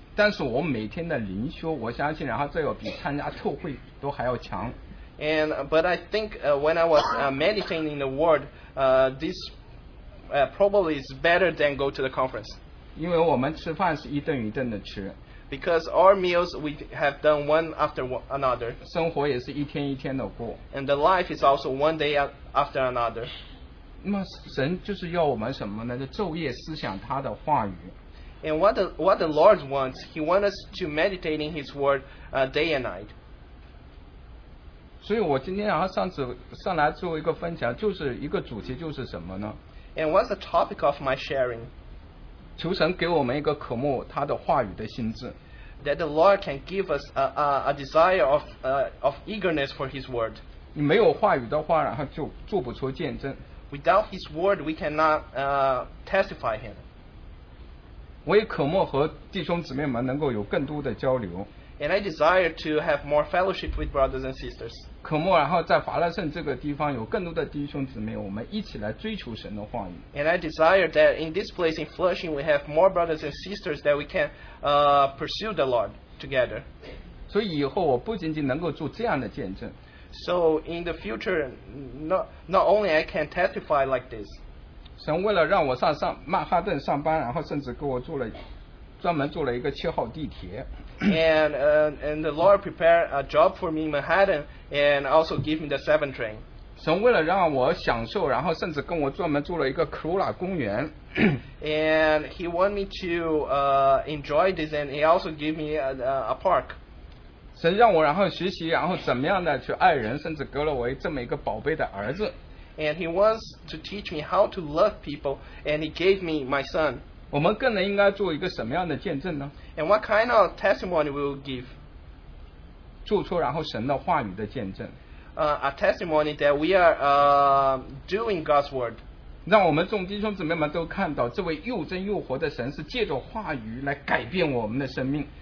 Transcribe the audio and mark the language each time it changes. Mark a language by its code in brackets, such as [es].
[zh] 但是我每天的灵修，我相信，然后这个比参加特会都还要强。 [en] And but I think when I was meditating the word, this probably is better than go to the conference. [zh] 因为我们吃饭是一顿一顿的吃。 [en] Because our meals we have done one after one another. [zh] 生活也是一天一天的过。 [en] And the life is also one day after another. [zh] 那么神就是要我们什么呢？就昼夜思想他的话语。 [en] And what the Lord wants, He wants us to meditate in His word, day and night. [zh] 所以我今天然后上次上来做一个分享，就是一个主题，就是什么呢 [en] ？And what's the topic of my sharing? [zh] 求神给我们一个渴慕他的话语的心智。 [en] That the Lord can give us a desire of eagerness for His word. [zh] 你没有话语的话，然后就做不出见证。 [en] Without His word, we cannot testify Him. [zh] 我也渴慕和弟兄姊妹们能够有更多的交流。 [en] And I desire to have more fellowship with brothers and sisters. [zh] 渴慕然后在法拉盛这个地方有更多的弟兄姊妹，我们一起来追求神的话语。 [en] And I desire that in this place in Flushing, we have more brothers and sisters that we can pursue the Lord together. [zh] 所以以后我不仅仅能够做这样的见证。 [en] So in the future, not only I can testify like this. [zh] 神为了让我上曼哈顿上班，然后甚至给我专门做了一个七号地铁。 [en] And the Lord prepared a job for me in Manhattan, and also gave me the 7 train. [zh] 神为了让我享受，然后甚至跟我专门做了一个科罗拉公园。 [en] And He wanted me to enjoy this, and He also gave me a park. [zh] 神让我然后学习然后怎么样的去爱人，甚至给了我这么一个宝贝的儿子。 [en] And he wants to teach me how to love people, and he gave me my son. [zh] 我们更能应该做一个什么样的见证呢？ [en] And what kind of testimony will give? [zh] 做出然后神的话语的见证。 [en] A testimony that we are doing God's word. [zh] 让我们众弟兄姊妹们都看到这位又真又活的神是借着话语来改变我们的生命。